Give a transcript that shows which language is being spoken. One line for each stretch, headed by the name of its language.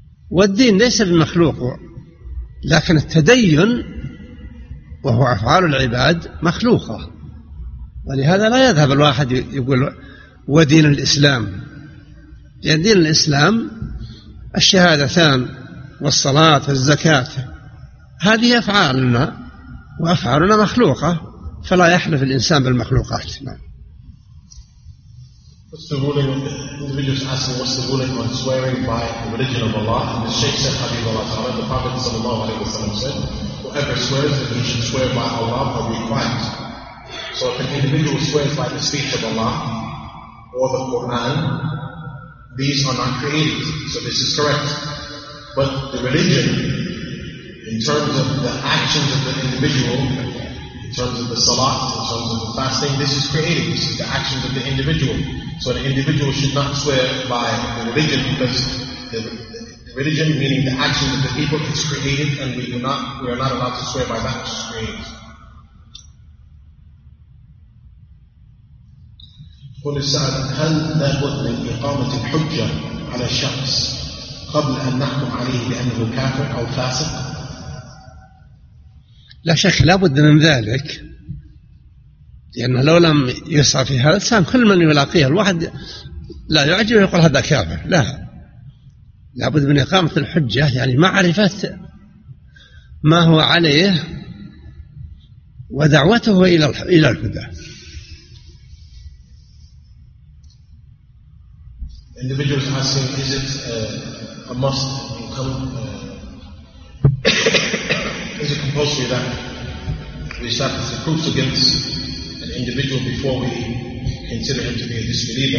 Arabic: والدين ليس بمخلوق، لكن التدين وهو أفعال العباد مخلوقة، ولهذا لا يذهب الواحد يقول ودين الإسلام، لأن دين الإسلام الشهادتان والصلاة والزكاة هذه أفعالنا، وأفعالنا مخلوقة، فلا يحلف الإنسان بالمخلوقات.
English: What's the ruling? Individuals asking, what's the ruling on swearing by the religion of Allah? And the Sheikh said, Habib Allah, the Prophet sallallahu alaihi wasallam said, whoever swears, that he should swear by Allah or be quiet. So if an individual swears by the speech of Allah or the Qur'an, these are not created, so this is correct. But the religion, in terms of the actions of the individual, in terms of the salat, in terms of the fasting, this is created, this is the actions of the individual. So an individual should not swear by the religion, because the religion, meaning the actions of the people, is created, and we are not allowed to swear by that which is created.
Arabic: قل السائل: هل لا بد من إقامة الحجة على الشخص قبل أن نحكم عليه بأنه كافر أو فاسق؟ لا شك لا بد من ذلك، لأن لو لم يسعى في هذا الإنسان كل من يلاقيه الواحد لا يعجب يقول هذا كافر، لا، لا بد من إقامة الحجة، يعني معرفة ما هو عليه ودعوته إلى الهدى.
English: Individuals asking, is it a must come, is it compulsory that we establish the proofs against an individual before we consider him to be a disbeliever?